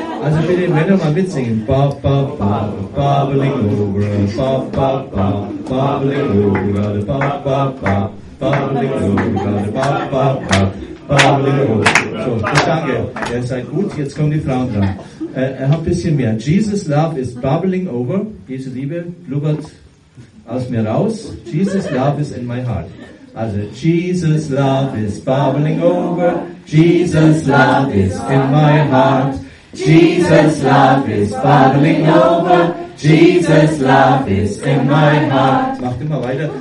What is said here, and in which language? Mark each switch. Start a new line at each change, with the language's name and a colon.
German: Also für den Männer mal mitsingen.
English: Bubbling over. Bubbling over. Bubbling over. Bubbling over.
German: So, danke. Ihr seid gut. Jetzt kommen die Frauen dran. Er hat ein bisschen mehr.
English: Jesus' love is bubbling over.
German: Jesu Liebe blubbert aus mir raus.
English: Jesus' love is in my heart. Also, Jesus' love is bubbling over. Jesus' love is in my heart. Jesus' love is bubbling over. Jesus' love is in my heart.
German: Macht immer weiter.